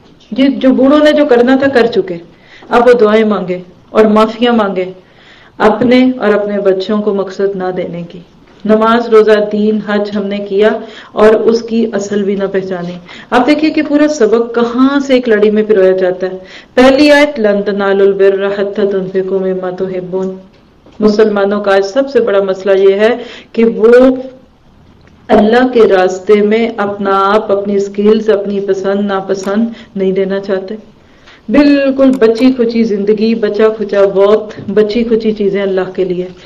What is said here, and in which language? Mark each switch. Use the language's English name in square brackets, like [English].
[Urdu] یہ جو بوڑھوں نے جو کرنا تھا کر چکے, اب وہ دعائیں مانگے اور معافیاں مانگے اپنے اور اپنے بچوں کو مقصد نہ دینے کی. نماز, روزہ, دین, حج ہم نے کیا اور اس کی اصل بھی نہ پہچانی. آپ دیکھیے کہ پورا سبق کہاں سے ایک لڑی میں پھرویا جاتا ہے. پہلی آیت [Arabic] لن تنالوا البر حتى تنفقوا مما تحبون. [Urdu] مسلمانوں کا آج سب سے بڑا مسئلہ یہ ہے کہ وہ اللہ کے راستے میں اپنا آپ, اپنی سکلز, اپنی پسند ناپسند نہیں دینا چاہتے. بالکل بچی کھچی زندگی, بچا کھچا وقت, بچی کھچی چیزیں اللہ کے لیے.